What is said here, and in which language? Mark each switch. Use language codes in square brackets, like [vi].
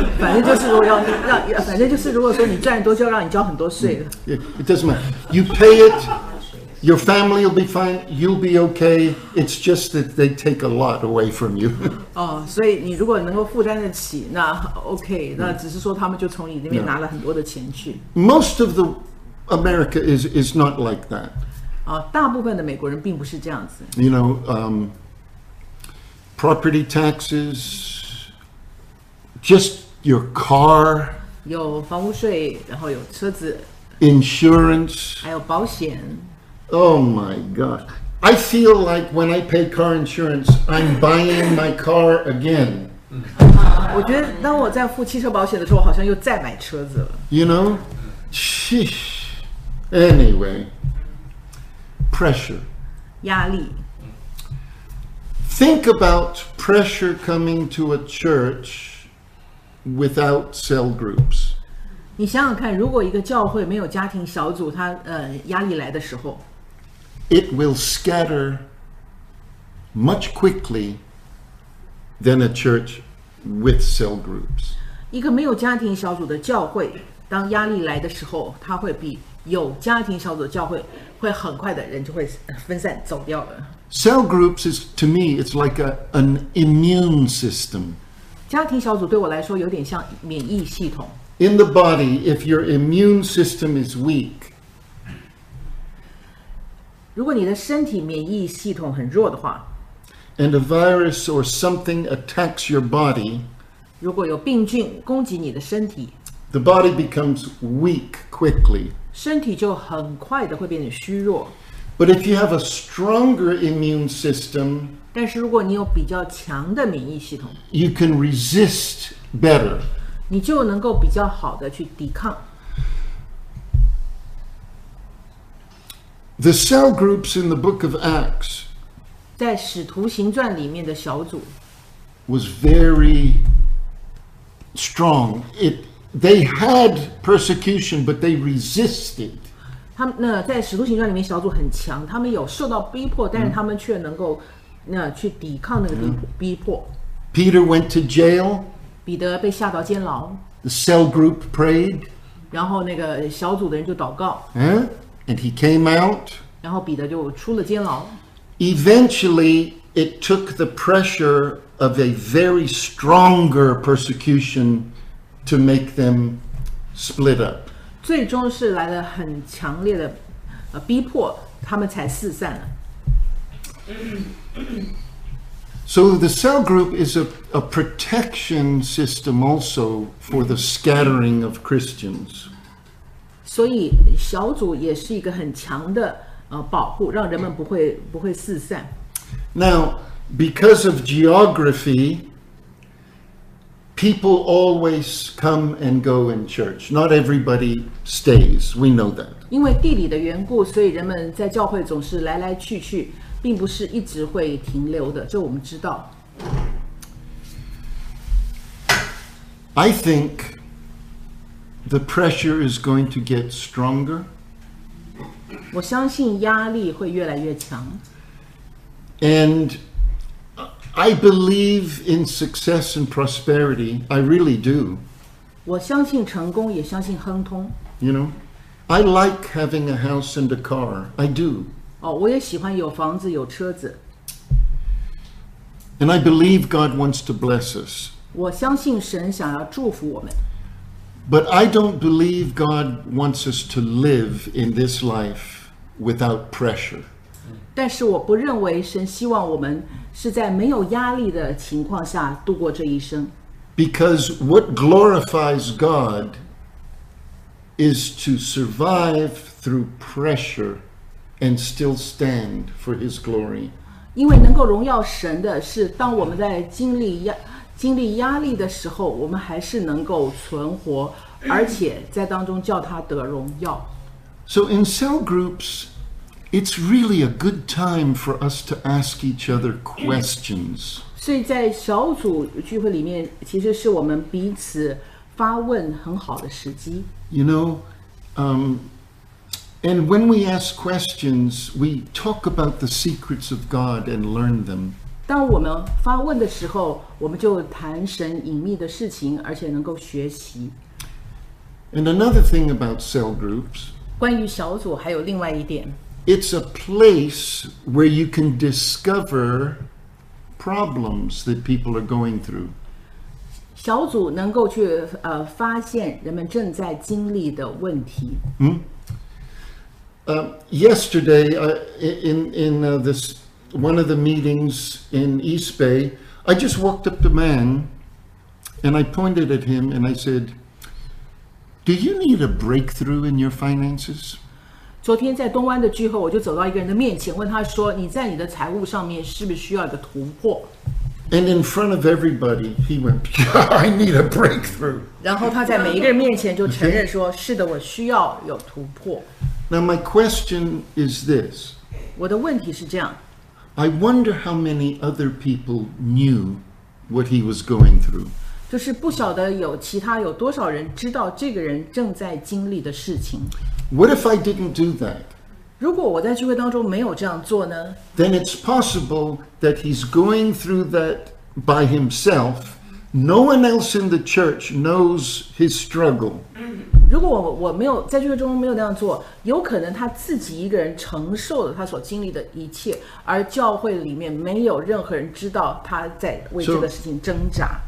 [zh] 反正就是如果说你赚多，就要让你交很多税。 [en] It doesn't matter. You pay it, your family will be fine, you'll be okay. It's just that they take a lot away from you. [zh] 所以你如果能够负担得起，那 OK， 那只是说他们就从你那边拿了很多的钱去。 [en] Most of the America is not like that. [zh] 大部分的美国人并不是这样子。 [en] You know, property taxes, just your car. [zh] 有房屋税，然后有车子。 [en] Insurance. [zh] 还有保险。 [en] Oh my God. I feel like when I pay car insurance, I'm buying my car again. [zh] 我觉得当我在付汽车保险的时候，好像又再买车子了。 [en] You know? Sheesh. Anyway. Pressure. [zh] 压力。 [en] Think about pressure coming to a church without cell groups. [zh] 你想想看，如果一个教会没有家庭小组，它压力来的时候。 [en] It will scatter much quickly than a church with cell groups. [zh] 一个没有家庭小组的教会，当压力来的时候，它会比有家庭小组的教会会很快的人就会分散走掉了。 [en] Cell groups is to me, it's like an immune system. [zh] 家庭小组对我来说有点像免疫系统。 [en] In the body, if your immune system is weak. [zh] 如果你的身体免疫系统很弱的话 [en] ，and a virus or something attacks your body， [zh] 如果有病菌攻击你的身体 [en] ，the body becomes weak quickly， [zh] 身体就很快的会变得虚弱。 [en] But if you have a stronger immune system, [zh] 但是如果你有比较强的免疫系统, [en] you can resist better. [zh] 你就能够比较好的去抵抗。 [en] The cell groups in the book of Acts, [zh] 在使徒行传里面的小组, [en] was very strong. They had persecution, but they resisted. [zh] 他们那在使徒行传里面小组很强，他们有受到逼迫，但是他们却能够那去抵抗那个逼迫。 [en] Peter went to jail. [zh] 彼得被下到监牢。 [en] The cell group prayed. [zh] 然后那个小组的人就祷告。 [en] And he came out. [zh] 然后彼得就出了监牢。 [en] Eventually, it took the pressure of a very stronger persecution to make them split up. [zh] 最终是来了很强烈的逼迫，他们才四散了。 [en] So the cell group is a protection system also for the scattering of Christians. [zh] 所以小组也是一个很强的保护，让人们不会四散。 [en] Now, because of geography,People always come and go in church. Not everybody stays. We know that. [zh] 因为地理的缘故，所以人们在教会总是来来去去，并不是一直会停留的。这我们知道。 [en] I think the pressure is going to get stronger. [zh] 我相信压力会越来越强。 [en] And. I believe in success and prosperity. I really do. [zh] 我相信成功，也相信亨通。 [en] You know, I like having a house and a car. I do. [zh] 哦，我也喜欢有房子，有车子。 [en] And I believe God wants to bless us. [zh] 我相信神想要祝福我们。 [en] But I don't believe God wants us to live in this life without pressure. [zh] 但是我不认为神希望我们是在没有压力的情况下度过这一生。 [en] Because what glorifies God is to survive through pressure and still stand for His glory. [zh] 因为能够荣耀神的是，当我们在经历压力的时候，我们还是能够存活，而且在当中叫他得荣耀。 [en] So in cell groups,It's really a good time for us to ask each other questions. [zh] 所以在小组聚会里面，其实是我们彼此发问很好的时机。 [en] You know, and when we ask questions, we talk about the secrets of God and learn them. [zh] 当我们发问的时候，我们就谈神隐秘的事情，而且能够学习。 [en] And another thing about cell groups. [zh] 关于小组还有另外一点。 [en] It's a place where you can discover problems that people are going through. [zh] 小组能够去发现人们正在经历的问题。 [en] Yesterday, in this one of the meetings in East Bay, I just walked up to a man, and I pointed at him and I said, "Do you need a breakthrough in your finances?" [zh] 昨天在东湾的聚会，我就走到一个人的面前，问他说：“你在你的财务上面是不是需要一个突破？” [en] And in front of everybody, he went, "I need a breakthrough." [zh] 然后他在每一个人面前就承认说：“ okay. 是的，我需要有突破。” [en] Now my question is this. [zh] 我的问题是这样。 [en] I wonder how many other people knew what he was going through. [zh] 就是不晓得有其他有多少人知道这个人正在经历的事情。 [en] What if I didn't do that? [zh] 如果我在聚会当中没有这样做呢? [en] Then it's possible that he's going through that by himself. No one else in the church knows his struggle. [zh] 如果我没有在聚会中没有那样做，有可能他自己一个人承受了他所经历的一切，而教会里面没有任何人知道他在为这个事情挣扎。